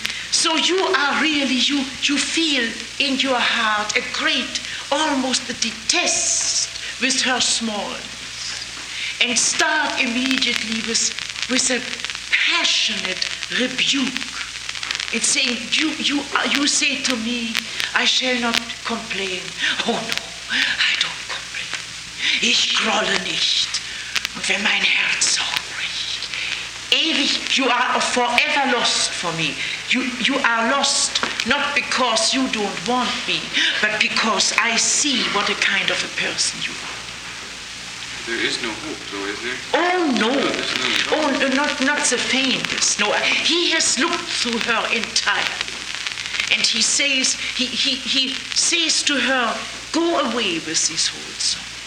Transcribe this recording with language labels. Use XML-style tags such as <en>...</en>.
<en>So you are really, you feel in your heart a great, almost a detest with her smallness, and start immediately with a passionate rebuke. It's saying, you say to me, I shall not complain. Oh no, I don't.</en> <de>Ich grolle nicht, und wenn mein Herz so bricht, ewig,</de> <en>you are forever lost for me. You are lost not because you don't want me, but because I see what a kind of a person you are. There is no hope, though, is there? Oh, no. Oh, not the faintest, no. He has looked through her entirely, and he says to her, go away with this whole song.</en>